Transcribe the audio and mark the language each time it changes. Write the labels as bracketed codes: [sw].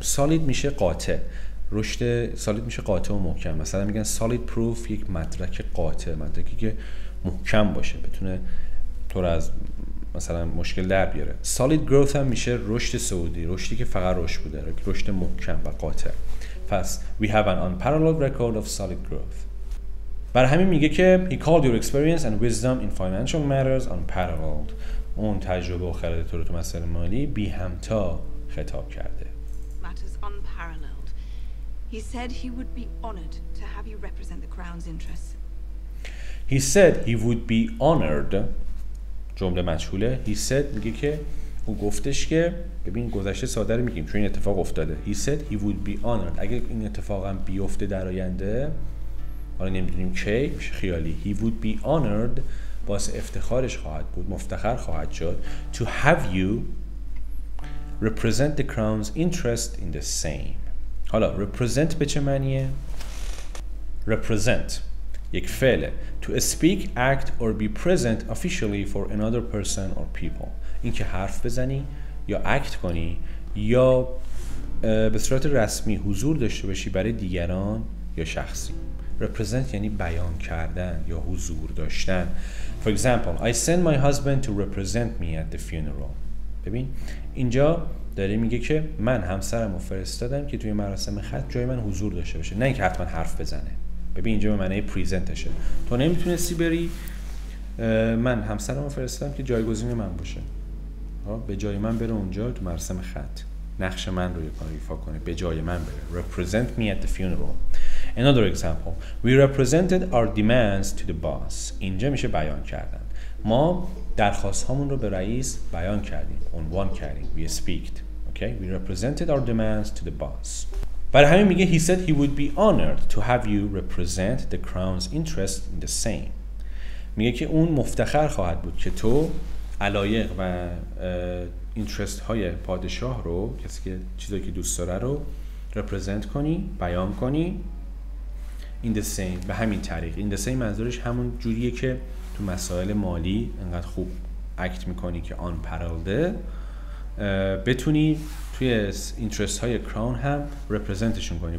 [fa] سالید میشه قاطع. رشد سالید میشه قاطع و محکم. مثلا میگن سالید پروف یک مدرک قاطع، مدرکی که محکم باشه، بتونه تو رو از مثلا مشکل در بیاره. [en] Solid growth [fa] هم میشه رشد سعودی، رشدی که فقط رشد بوده، رشد محکم و قاطع. [en] پس we have an unparalleled record of solid growth. [fa] بر همین میگه که [en] he called your experience and wisdom in financial matters unparalleled. [fa] اون تجربه و خرد تو رو تو مسئله مالی بی همتا خطاب کرده. [en] Matters unparalleled. He said he would be honored to have you represent the crown's interests. He said he would be honored. [fa] جمله مجهوله. [en] He said [fa] میگه که او گفتش که ببین گذشته ساده رو میگیم چون این اتفاق افتاده. [en] He said he would be honored. [fa] اگر این اتفاق هم بیفته در آینده حالا نمیدونیم که خیالی. [en] He would be honored. [fa] باعث افتخارش خواهد بود. مفتخر خواهد شد. [en] To have you represent the crown's interest in the same. [fa] حالا represent به چه معنیه؟ Represent یک فعله. [en] To speak, act or be present officially for another person or people. [fa] این که حرف بزنی یا act کنی یا به صورت رسمی حضور داشته باشی برای دیگران یا شخصی. Represent یعنی بیان کردن یا حضور داشتن. [en] For example, I send my husband to represent me at the funeral. [fa] ببین اینجا داره میگه که من همسرم رو فرستادم که توی مراسم خط جای من حضور داشته باشه، نه اینکه حتما حرف بزنه. ببین اینجا به معنی پریزنتشه. تو نمیتونستی بری، من همسرم رو فرستادم که جایگزین من باشه، به جای من بره اونجا تو مراسم خط، نقش من رو ایفا کنه، به جای من بره. [en] Represent me at the funeral. Another example. We represented our demands to the boss. [fa] اینجا میشه بیان کردن. ما درخواست هامون رو به رئیس بیان کردیم. عنوان کردیم. [en] We speaked. Okay? We represented our demands to the boss. [fa] برای همین میگه [en] he said he would be honored to have you represent the crown's interest in the same. [fa] میگه که اون مفتخر خواهد بود که تو علایق و interest های پادشاه رو، کسی که چیزایی که دوست داره رو represent کنی، بیان کنی. این [en] the same [fa] به همین طریق. این the same منظورش همون جوریه که تو مسائل مالی انقدر خوب اکت میکنی که آن پرالده بتونی توی اینترست های کراون هم رپرزنتشون کنی.